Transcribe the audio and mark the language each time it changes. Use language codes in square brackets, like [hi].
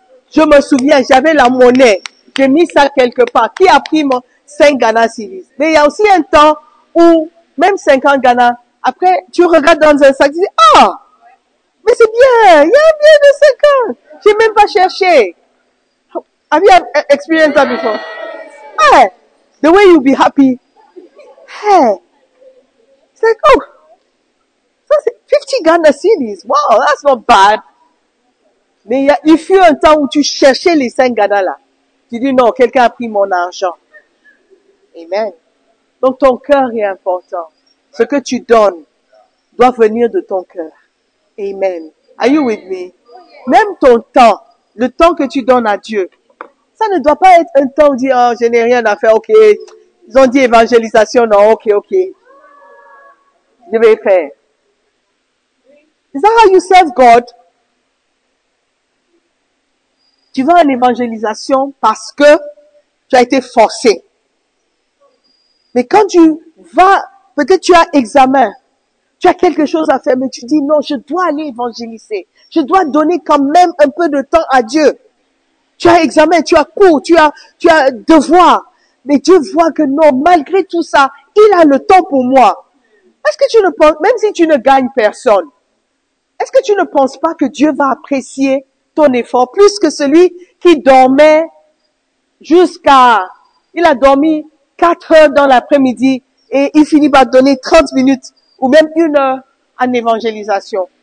[fr] Je me souviens, j'avais la monnaie. J'ai mis ça quelque part. Qui a pris mon 5 Ghana cedis? Mais il y a aussi un temps où même 50 Ghana, après, tu regardes dans un sac, tu dis, ah, oh, mais c'est bien, il y a un billet de 50. J'ai même pas cherché. [en] Have you experienced that before? Hey, the way you'll be happy. Hey. It's like, [fr] oh, ça c'est 50 Ghana cedis. [en] Wow, that's not bad. [fr] Mais il fut un temps où tu cherchais les 5 Ghana là. Tu dis, non, quelqu'un a pris mon argent. Amen. Donc, ton cœur est important. Ce que tu donnes doit venir de ton cœur. Amen. [en] Are you with me? [fr] Même ton temps, le temps que tu donnes à Dieu, ça ne doit pas être un temps où tu dis, oh, je n'ai rien à faire, ok. Ils ont dit évangélisation, non, ok, ok. Je vais faire. [en] Is that how you serve God? [fr] Tu vas en évangélisation parce que tu as été forcé. Mais quand tu vas, peut-être tu as examen, tu as quelque chose à faire, mais tu dis non, je dois aller évangéliser. Je dois donner quand même un peu de temps à Dieu. Tu as examen, tu as cours, tu as devoir. Mais Dieu voit que non, malgré tout ça, il a le temps pour moi. Est-ce que tu ne penses, même si tu ne gagnes personne, est-ce que tu ne penses pas que Dieu va apprécier ton effort plus que celui qui dormait jusqu'à, il a dormi 4 heures dans l'après-midi et il finit par donner 30 minutes ou même 1 heure en évangélisation.